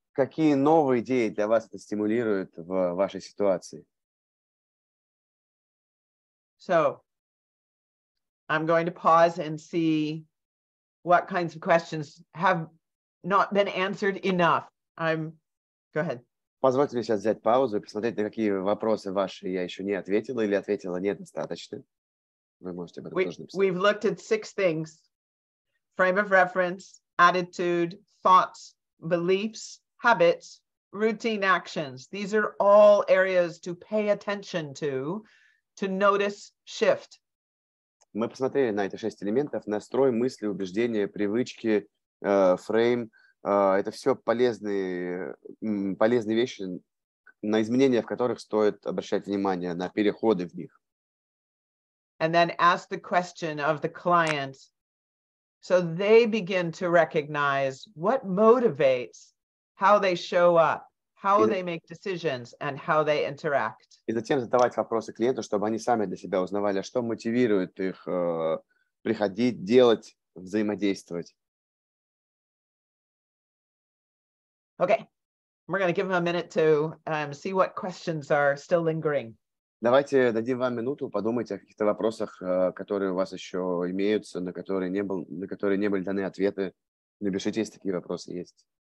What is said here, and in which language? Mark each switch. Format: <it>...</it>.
<ru>Какие новые идеи для вас это стимулирует в вашей ситуации?</ru> <en>So, I'm going to pause and see what kinds of questions have not been answered enough. Go ahead.</en> <ru>Позвольте мне сейчас взять паузу и посмотреть, на какие вопросы ваши я еще не ответила или ответила недостаточно. Вы можете об этом тоже написать.</ru> <en>We've looked at 6 things. Frame of reference, attitude, thoughts, beliefs, habits, routine actions. These are all areas to pay attention to notice shift.</en> <ru>Мы посмотрели на эти 6 элементов. Настрой, мысли, убеждения, привычки, фрейм. Это все полезные вещи, на изменения в которых стоит обращать внимание, на переходы в них.</ru> <en>And then ask the question of the client. So they begin to recognize what motivates how they show up, how they make decisions, and how they interact.</en> <ru>И затем задавать вопросы клиенту, чтобы они сами для себя узнавали, что мотивирует их приходить, делать, взаимодействовать.</ru> <en>Okay. We're going to give them a minute to see what questions are still lingering.</en> <ru>Давайте дадим вам минуту, подумайте о каких-то вопросах, которые у вас еще имеются, на которые не были даны ответы. Напишите, если такие вопросы есть.</ru>